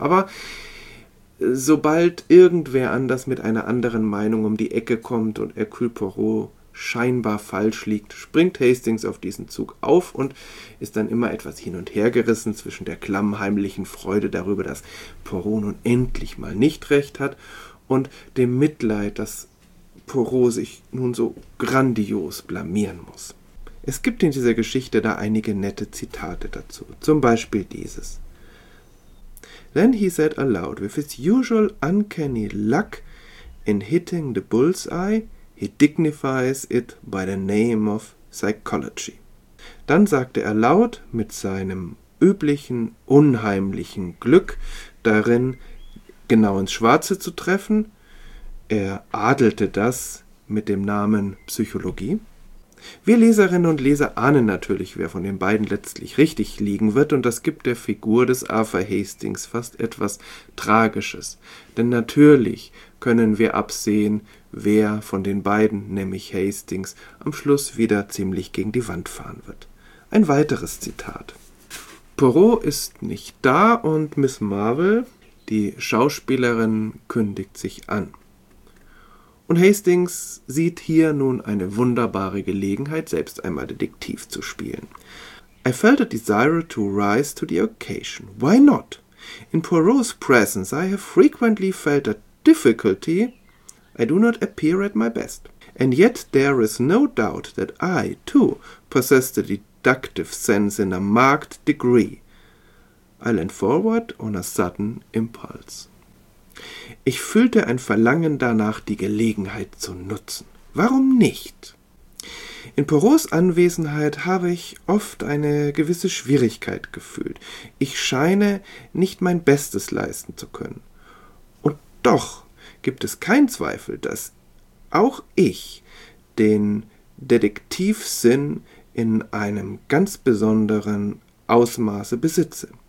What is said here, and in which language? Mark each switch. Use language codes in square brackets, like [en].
[de] Aber sobald irgendwer anders mit einer anderen Meinung um die Ecke kommt und Hercule Poirot scheinbar falsch liegt, springt Hastings auf diesen Zug auf und ist dann immer etwas hin und her gerissen zwischen der klammheimlichen Freude darüber, dass Poirot nun endlich mal nicht recht hat, und dem Mitleid, dass Poirot sich nun so grandios blamieren muss. Es gibt in dieser Geschichte da einige nette Zitate dazu, zum Beispiel dieses. [en] Then he said aloud, with his usual uncanny luck in hitting the bullseye, he dignifies it by the name of psychology. [de] Dann sagte er laut mit seinem üblichen, unheimlichen Glück darin, genau ins Schwarze zu treffen. Er adelte das mit dem Namen Psychologie. Wir Leserinnen und Leser ahnen natürlich, wer von den beiden letztlich richtig liegen wird, und das gibt der Figur des Arthur Hastings fast etwas Tragisches. Denn natürlich können wir absehen, wer von den beiden, nämlich Hastings, am Schluss wieder ziemlich gegen die Wand fahren wird. Ein weiteres Zitat. Poirot ist nicht da und Miss Marvel, die Schauspielerin, kündigt sich an. Und Hastings sieht hier nun eine wunderbare Gelegenheit, selbst einmal Detektiv zu spielen. [en] I felt a desire to rise to the occasion. Why not? In Poirot's presence I have frequently felt a difficulty. I do not appear at my best. And yet there is no doubt that I, too, possess the deductive sense in a marked degree. I leaned forward on a sudden impulse. [de] Ich fühlte ein Verlangen danach, die Gelegenheit zu nutzen. Warum nicht? In Poirots Anwesenheit habe ich oft eine gewisse Schwierigkeit gefühlt. Ich scheine nicht mein Bestes leisten zu können. Und doch gibt es keinen Zweifel, dass auch ich den Detektivsinn in einem ganz besonderen Ausmaße besitze.